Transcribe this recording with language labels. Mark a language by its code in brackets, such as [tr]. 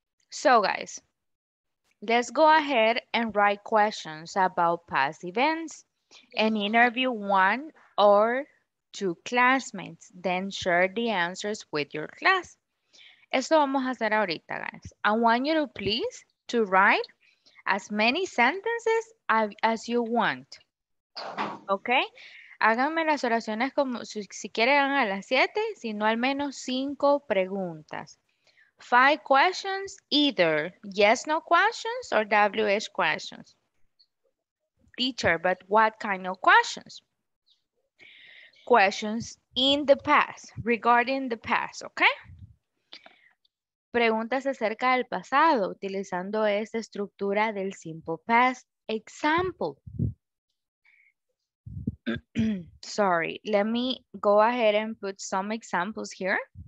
[en] So guys, let's go ahead and write questions about past events and interview one or two classmates, then share the answers with your class. [es] Esto vamos a hacer ahorita, [en] guys. I want you to please to write as many sentences as you want, okay? [es] Háganme las oraciones como si quieren a las 7, sino al menos 5 preguntas. [en] 5 questions, either yes, no questions or WH questions. Teacher, but what kind of questions? Questions in the past, regarding the past, okay? [es] Preguntas acerca del pasado, utilizando esta estructura del simple past. [en] Example. Sorry, let me go ahead and put some examples here.